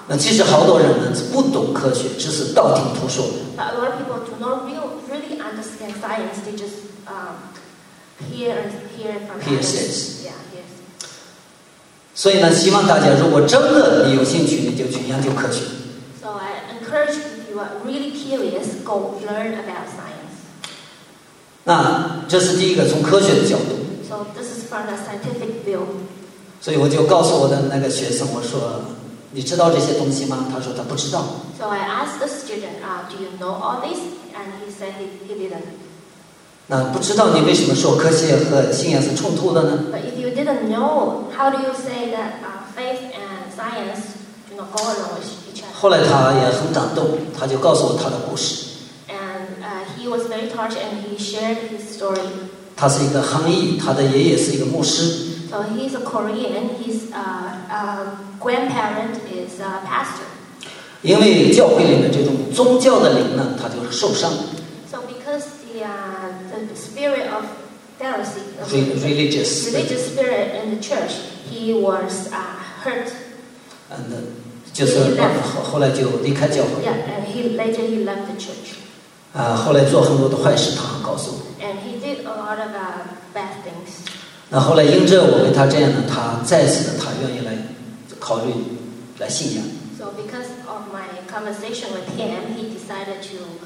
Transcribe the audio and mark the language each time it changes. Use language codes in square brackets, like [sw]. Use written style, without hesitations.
[zh] 那其实好多人呢是不懂科学，只是道听途说。 [en] But a lot of people do not really understand science. They just hear from hearsay. [zh] 所以呢，希望大家如果真的你有兴趣，你就去研究科学。 [en] So I encourage if you are really curious, go learn about science. [zh] 那这是第一个，从科学的角度。 [en] So this is from the scientific view. [zh] 所以我就告诉我的那个学生，我说，你知道这些东西吗？他说他不知道。 [en] So I asked the student, do you know all this? And he said he didn't. [zh] 那不知道你为什么说科学和信仰是冲突的呢 [en] ？But if you didn't know, how do you say that faith and science do not go along with each other? [zh] 后来他也很感动，他就告诉我他的故事。 [en] And he was very touched and he shared his story. [zh] 他是一个韩裔，他的爷爷是一个牧师。 [en] So he's a Korean. His grandparent is a pastor. [zh] 因为教会里面这种宗教的灵呢，他就是受伤。 [en] So because the spirit of Pharisee, religious spirit in the church, he was hurt. [zh] And 就是后来就离开教会。 [en] Yeah, and later he left the church. [zh] 后来做很多的坏事，他很告诉我。 [en] And he did a lot of bad things. [zh] 那后来因着我为他这样呢，他再次的他愿意来考虑来信仰。 [en] So because of my conversation with him, he decided to.